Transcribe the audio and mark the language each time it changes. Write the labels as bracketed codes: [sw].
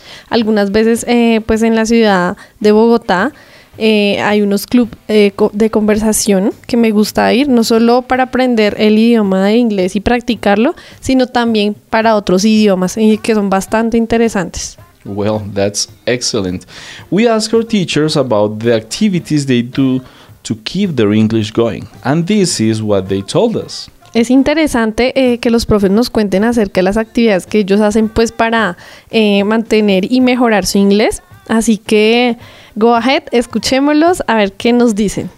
[es] Algunas veces, pues en la ciudad de Bogotá hay unos clubes de conversación que me gusta ir, no solo para aprender el idioma de inglés y practicarlo, sino también para otros idiomas que son bastante interesantes. [en] Well, that's excellent. We ask our teachers about the activities they do to keep their English going, and this is what they told us. [es] Es interesante que los profes nos cuenten acerca de las actividades que ellos hacen pues para mantener y mejorar su inglés. Así que [en] go ahead, [es] escuchémoslos a ver qué nos dicen.